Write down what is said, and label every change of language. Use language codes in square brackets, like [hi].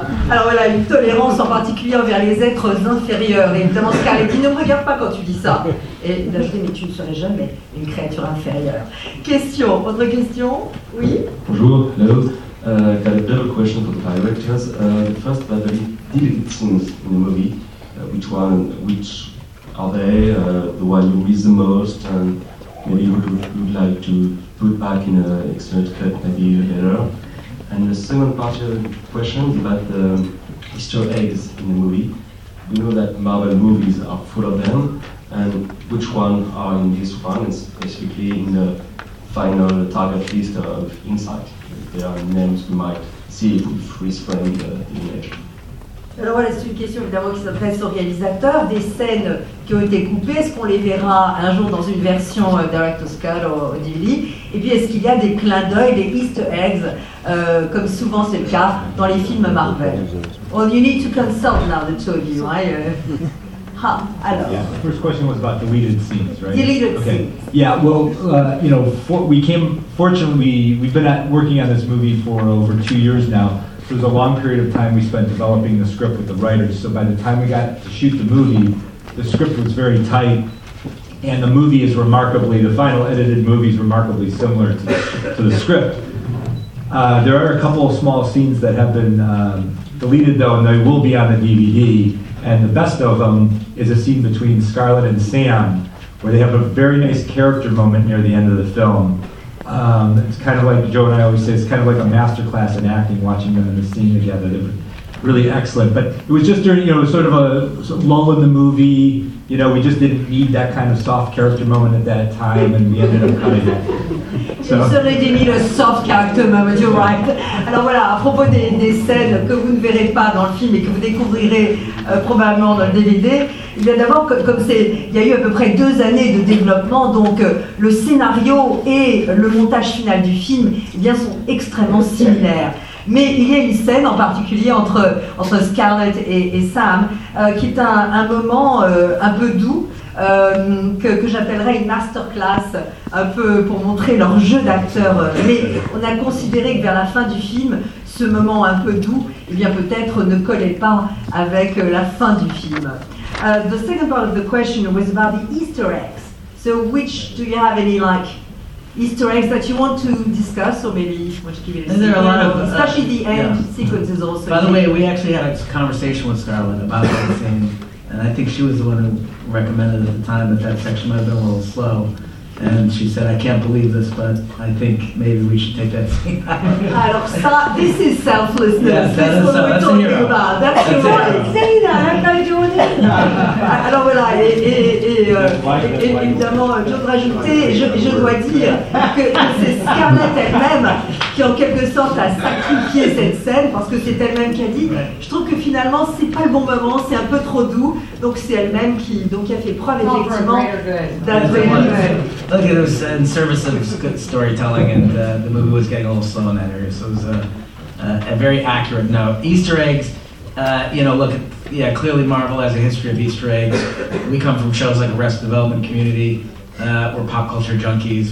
[fr] Alors voilà, une tolérance en particulier envers les êtres inférieurs. Et évidemment, Scarlett, il ne me regarde pas quand tu dis ça. Et là, je dis, mais tu ne serais jamais une créature inférieure. Question, autre question? Oui? Bonjour, hello. [en] I got a double question for the directors. First, about the deleted scenes in the movie. Which are they? The one you miss the most, and maybe would like to put back in an extended cut, maybe later. And the second part of the question is about the Easter eggs in the movie. We know that Marvel movies are full of them, and which one are in this one? It's basically in the final target list of Insight. There are names we might see if we freeze frame the image. [fr] Alors voilà, c'est une question évidemment qui s'adresse aux réalisateurs. Des scènes qui ont été coupées, est-ce qu'on les verra un jour dans une version Director's Cut ou DVD? Et puis est-ce qu'il y a des clins d'œil, des Easter eggs, comme souvent c'est le cas dans les films Marvel? [en] Well, you need to consult now, the two of you, right? Yeah. First question was about deleted scenes, right? Deleted scenes. Well, we've been working on this movie for over 2 years now. So it was a long period of time we spent developing the script with the writers. So by the time we got to shoot the movie, the script was very tight. And the movie is remarkably, the final edited movie is remarkably similar to the script. There are a couple of small scenes that have been deleted, though, and they will be on the DVD. And the best of them is a scene between Scarlett and Sam, where they have a very nice character moment near the end of the film. It's kind of like, Joe and I always say, it's kind of like a masterclass in acting, watching them in the scene together. They're really excellent. But it was just during, you know, sort of a lull in the movie. You know, we just didn't need that kind of soft character moment at that time, and we ended up cutting it. Il serait dit le soft character moment, you're right. [fr] Alors voilà, à propos des scènes que vous ne verrez pas dans le film et que vous découvrirez probablement dans le DVD, il y a d'abord, comme c'est, il y a eu à peu près 2 années de développement, donc le scénario et le montage final du film eh bien, sont extrêmement similaires. Mais il y a une scène en particulier entre Scarlett et Sam qui est un moment un peu doux. Que j'appellerais une masterclass un peu pour montrer leur jeu d'acteur. Mais on a considéré que vers la fin du film, ce moment un peu doux, eh bien peut-être ne collait pas avec la fin du film. [en] The second part of the question was about the Easter eggs. So which do you have any like Easter eggs that you want to discuss or maybe want to give it a scene? There a lot of, especially the end sequences also. By the way, we actually had a conversation with Scarlett about that scene. And I think she was the one who recommended at the time that section might have been a little slow. And she said, I can't believe this, but I think maybe we should take that scene. Alors ça, this is selflessness. Yes, that's what we're talking about. That's your right. Say that, I'm not doing it. [fr] Alors voilà, évidemment, je dois rajouter, je dois dire que c'est Scarlett elle-même qui en quelque sorte a sacrifié cette scène, parce que c'est elle-même qui a dit, je trouve que finalement c'est pas le bon moment, c'est un peu trop doux, donc c'est elle-même qui a fait preuve effectivement d'adresse. [en] Look, it was in service of good storytelling, and the movie was getting a little slow in that area, so it was a very accurate note. Easter eggs, you know, look, yeah, clearly Marvel has a history of Easter eggs. We come from shows like Arrested Development Community. We're pop culture junkies.